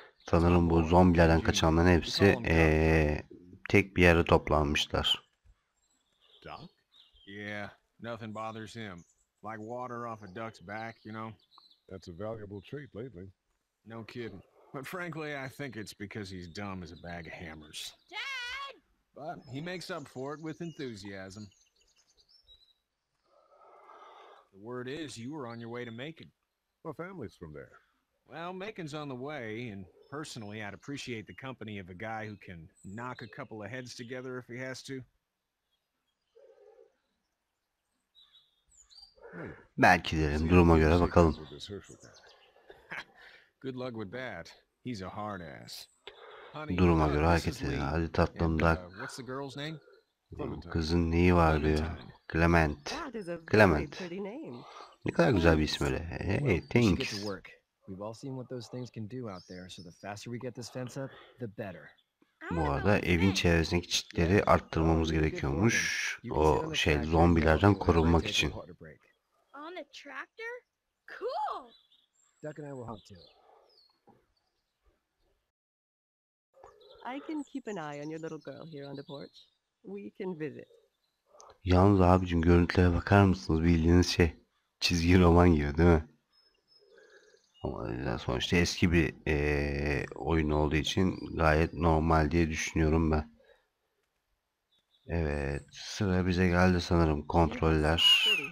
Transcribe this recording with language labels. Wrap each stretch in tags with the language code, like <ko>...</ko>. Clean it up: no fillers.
<tr>Sanırım bu zombilerden kaçanların hepsi tek bir yere toplanmışlar.</tr> <en>Yeah, nothing bothers him. Like water off a duck's back, you know? That's a valuable trait lately. No kidding. But frankly, I think it's because he's dumb as a bag of hammers. Dad! But he makes up for it with enthusiasm. The word is you were on your way to Macon. My family's from there. Well, Macon's on the way, and personally, I'd appreciate the company of a guy who can knock a couple of heads together if he has to.</en> <tr>Belki derim. Duruma göre bakalım.</tr> <en>Good luck with that. He's a hard ass.</en> <tr>Duruma göre hareket edin. Hadi tatlım da.</tr> <en>What's the girl's name?</en> <tr>Kızın neyi var diyor. Clement. Clement. Ne kadar güzel bir isim öyle.</tr> <en>Hey, thanks. We've all seen what those things can do out there, so the faster we get this fence up, the better.</en> <tr>Bu arada evin çevresindeki çitleri arttırmamız gerekiyormuş. O şey zombilerden korunmak için.</tr> <en>On a tractor? Cool. Duck and I will hunt too. I can keep an eye on your little girl here on the porch. We can visit.</en> <tr>Yalnız abicim görüntülere bakar mısınız? Bildiğiniz şey çizgi roman gibi değil mi? Ama sonuçta eski bir oyun olduğu için gayet normal diye düşünüyorum ben. Evet, sıra bize geldi sanırım kontroller.</tr>